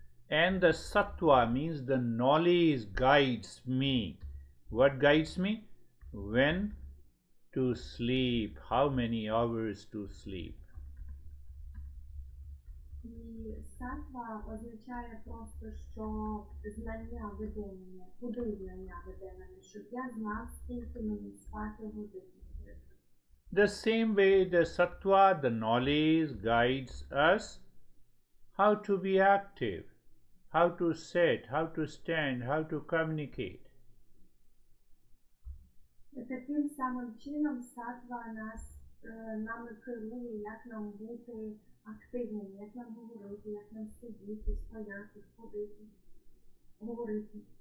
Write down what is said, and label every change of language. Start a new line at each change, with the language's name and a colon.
English: And the sattva means the knowledge guides me. What guides me? When to sleep, how many hours to sleep.
Ukrainian: І сатва означає просто, що знання веде мене, куди знання веде мене, щоб я знав, скільки мені спати годину.
English: The same way the sattva, the knowledge, guides us how to be active, how to sit, how to stand, how to communicate.
Ukrainian: Таким самим чином сатва нас нами керує, як нам бути активним, як нам говорити, як нам сидіти, стояти, ходити, говорити.